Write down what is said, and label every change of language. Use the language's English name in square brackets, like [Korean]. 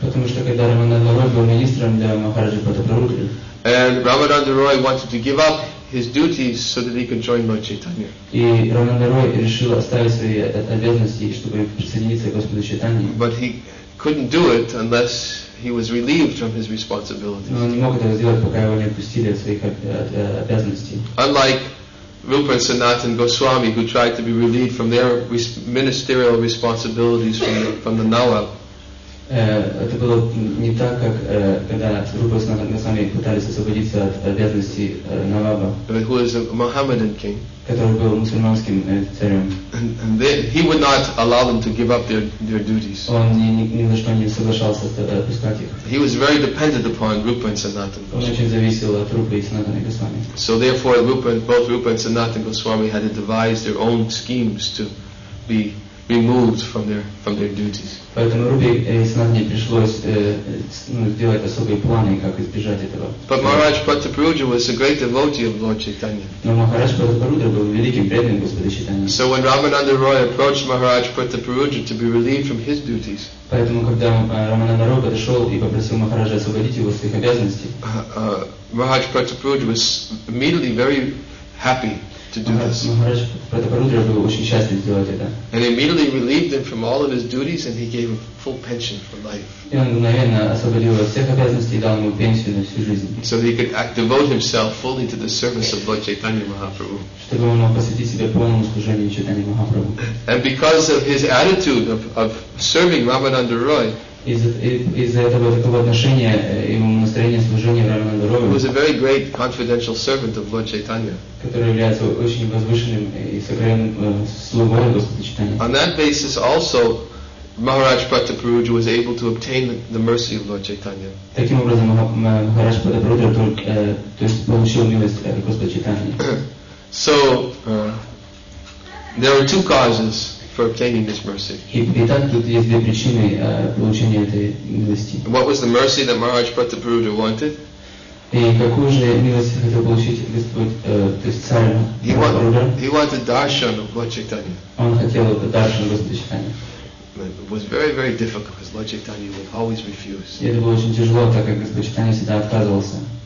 [Russian] Потому что когда Рамананда Рой был министром для Махараджи Прадабрудры. [English] And Ramananda Roy wanted to give up his duties so that he could join Lord Chaitanya. [Russian] И Рамананда Рой решил оставить свои обязанности, чтобы присоединиться к Господу Чайтанье. [English] But he couldn't do it unless he was relieved from his responsibilities. [Russian] Но он не мог этого сделать, пока его не отпустили от своих обязанностей. [English] Unlike Rupa and Sanatan Goswami, who tried to be relieved from their ministerial responsibilities from the Nawab. [Russian] Это было не так, как когда Рупа и Санатан Госвами пытались освободиться от обязанностей Наваба. [English] Who is a Mohammedan king? [Russian] Который был мусульманским царем. [English] And he would not allow them to give up their duties. [Russian] Он ни за что не соглашался отпускать их. [English] He was very dependent upon Rupa and Sanatan Goswami. [Russian] Он очень зависел от Рупы и Санатан Госвами. [English] So therefore, both Rupa and Sanatan Goswami had to devise their own schemes to be removed from their duties. [Russian] Поэтому Рупе и Санатане пришлось сделать особые планы, как избежать этого. [English] But Maharaj Prataparudra was a great devotee of Lord Chaitanya. [Russian] Но Махарадж Прадабрудра был великим преданным Господа Чайтанья. [English] So when Ramananda Roy approached Maharaj Prataparudra to be relieved from his duties. [Russian] Поэтому когда Рамананда Рой подошел и попросил Махараджа освободить его от своих обязанностей. [English] Maharaj Prataparudra was immediately very happy to do this. [Russian] Махарадж Прадабрудра был очень счастлив сделать это. [English] And immediately relieved him from all of his duties and he gave him full pension for life. [Russian] И он мгновенно освободил его от всех обязанностей и дал ему пенсию на всю жизнь. [English] So he could devote himself fully to the service of Lord Chaitanya Mahaprabhu. [Russian] Чтобы он мог посвятить себя полному служению Чайтанье Махапрабху. [English] And because of his attitude of serving Ramananda Roy, [Russian] из-за этого такого отношения ему настроение служения Рамананда Роя. [English] He was a very great confidential servant of Lord Chaitanya. [Russian] Который является очень возвышенным и сокровенным слугой Господа Чайтанья. [English] On that basis also, Maharaj Prataparudra was able to obtain the mercy of Lord Chaitanya. [Russian] Таким образом, Махарадж Прадабрудра получил милость Господа Чайтанья. [English] So, there are two causes for obtaining this mercy. [Russian] Итак, тут есть две причины получения этой милости. [English] What was the mercy that Maharaj Prataparudra wanted? [Russian] И какую же милость хотел получить Господь, то есть царь Прадабрудра? [English] He wanted darshan of Lord Chaitanya. [Russian] Он хотел darshan Господа Чайтанья. [English] It was very, very difficult because Lord Chaitanya would always refuse. [Russian] И это было очень тяжело, так как Господь Чайтанья всегда отказывался.